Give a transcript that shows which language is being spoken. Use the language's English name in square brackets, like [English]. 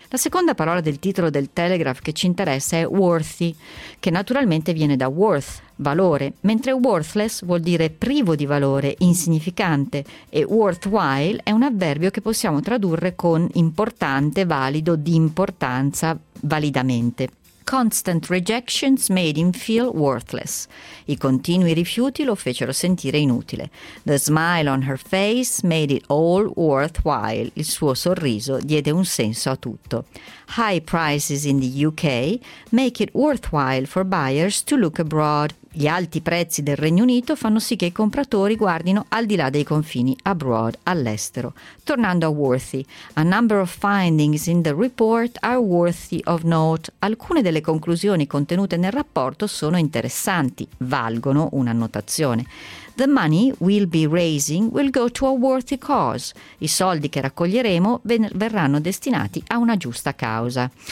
[Italian] La seconda parola del titolo del Telegraph che ci interessa è worthy, che naturalmente viene da worth, valore, mentre worthless vuol dire privo di valore, insignificante, e worthwhile è un avverbio che possiamo tradurre con importante, valido, di importanza, validamente. [English] Constant rejections made him feel worthless. [Italian] I continui rifiuti lo fecero sentire inutile. [English] The smile on her face made it all worthwhile. [Italian] Il suo sorriso diede un senso a tutto. [English] High prices in the UK make it worthwhile for buyers to look abroad. [Italian] Gli alti prezzi del Regno Unito fanno sì che i compratori guardino al di là dei confini, abroad, all'estero. Tornando a [English] worthy, a number of findings in the report are worthy of note. [Italian] Alcune delle conclusioni contenute nel rapporto sono interessanti, valgono un'annotazione. [English] The money we'll be raising will go to a worthy cause. [Italian] I soldi che raccoglieremo verranno destinati a una giusta causa.